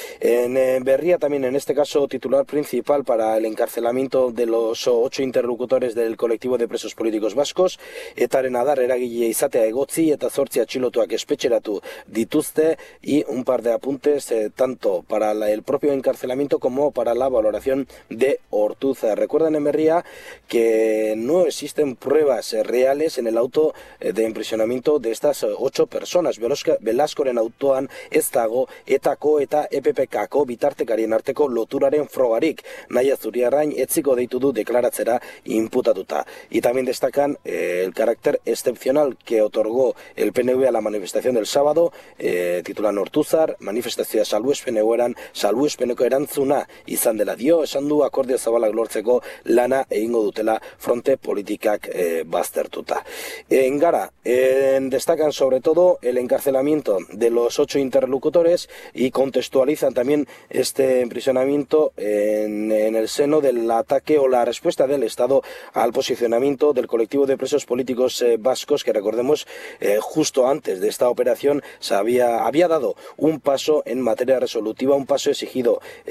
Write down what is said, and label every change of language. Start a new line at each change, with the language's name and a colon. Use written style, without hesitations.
Spanish: En Berria también, en este caso, titular principal para el encarcelamiento de los 8 interlocutores del colectivo de presos políticos vascos:
Basque: etaren adar eragile izatea egotzi eta 8 atxilotuak espetxeratu dituzte.
Spanish: Y un par de apuntes tanto para el propio encarcelamiento como para la valoración de Ortuzar. Recuerdan en Berria que no existen pruebas reales en el auto de imprisionamiento de estas 8 personas.
Basque: Velaskoren autoan ez dago etako eta EPPKko bitartekarien arteko loturaren frogarik. Nahia Zuriarrain etziko deitu du deklaratzera inputatuta.
Spanish: Y también destacan el carácter excepcional que otorgó el PNV a la manifestación del sábado, titulan Ortuzar:
Basque: manifestazioa salbuespeneko erantzun eguna izan dela dio, esan du akordio zabalak lortzeko lana egingo dutela fronte politikak baztertuta.
Spanish: Engara, destacan sobre todo el encarcelamiento de los 8 interlocutores y contextualizan también este emprisionamiento en el seno del ataque o la respuesta del Estado al posicionamiento del colectivo de presos políticos vascos, que recordemos justo antes de esta operación se había dado un paso en materia resolutiva, un paso exigido